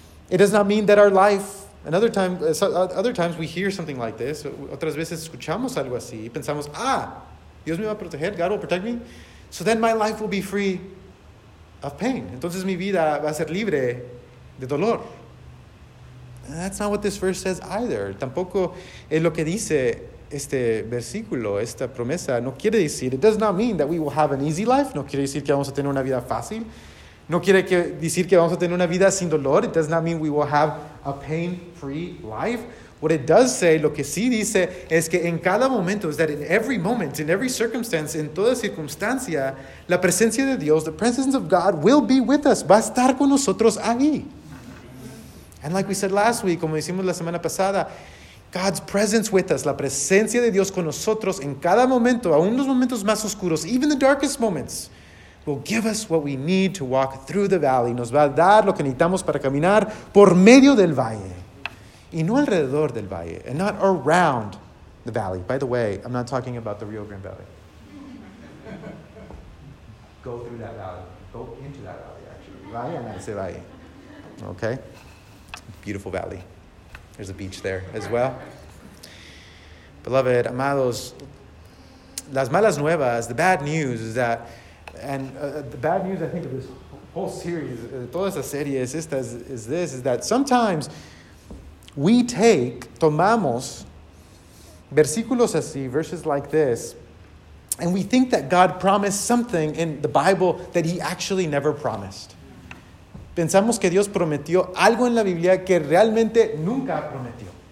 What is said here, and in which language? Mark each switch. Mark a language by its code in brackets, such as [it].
[en] It does not mean that our life, other times we hear something like this, [es] otras veces escuchamos algo así, y pensamos, ah, Dios me va a proteger, [en] God will protect me, so then my life will be free of pain. [es] Entonces mi vida va a ser libre de dolor. [en] And that's not what this verse says either. [es] Tampoco es lo que dice este versículo, esta promesa. No quiere decir, [en] it does not mean that we will have an easy life. [es] No quiere decir que vamos a tener una vida fácil. No quiere decir que vamos a tener una vida sin dolor. [en] It does not mean we will have a pain-free life. What it does say, [es] lo que sí dice, es que en cada momento, [en] is that in every moment, in every circumstance, [es] en toda circunstancia, la presencia de Dios, [en] the presence of God, will be with us. [es] Va a estar con nosotros ahí. [en] And like we said last week, [es] como decimos la semana pasada, [en] God's presence with us, [es] la presencia de Dios con nosotros en cada momento, aún los momentos más oscuros, [en] even the darkest moments, will give us what we need to walk through the valley. [es] Nos va a dar lo que necesitamos para caminar por medio del valle. Y no alrededor del valle. [en] And not around the valley. By the way, I'm not talking about the Rio Grande Valley. Go through that valley. Go into that valley, actually. [es] Valle, no, ese valle. [en] Okay? Beautiful valley. There's a beach there as well. Beloved, amados, [es] las malas nuevas, [en] the bad news is that, and the bad news, I think, of this whole series, [es] toda esta serie, [en] is this, is that sometimes We take, tomamos, [es] versículos así, [en] verses like this, and we think that God promised something in the Bible that he actually never promised. [es] Pensamos que Dios prometió algo en la Biblia que realmente nunca prometió.